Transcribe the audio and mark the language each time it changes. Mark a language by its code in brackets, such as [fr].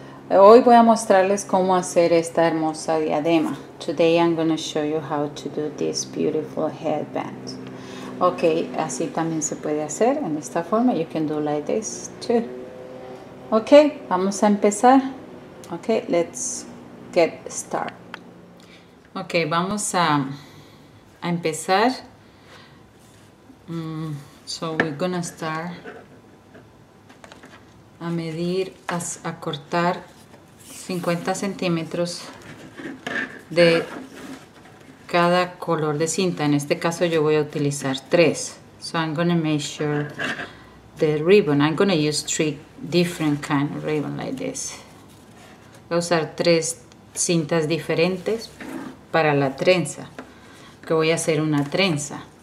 [es] Hoy voy a mostrarles cómo hacer esta hermosa diadema. [en] Today I'm going to show you how to do this beautiful headband. [es] Ok, así también se puede hacer en esta forma. [en] You can do like this too. Ok, [es] vamos a empezar. [en] Ok, let's get started. Ok, [es] vamos a empezar. [en] So we're going to start [es] a medir, a cortar 50 centímetros de cada color de cinta. En este caso yo voy a utilizar 3. [en] So I'm going to measure the ribbon. I'm going to use 3 different kind of ribbon like this. [es] Voy a usar 3 cintas diferentes para la trenza, que voy a hacer una trenza.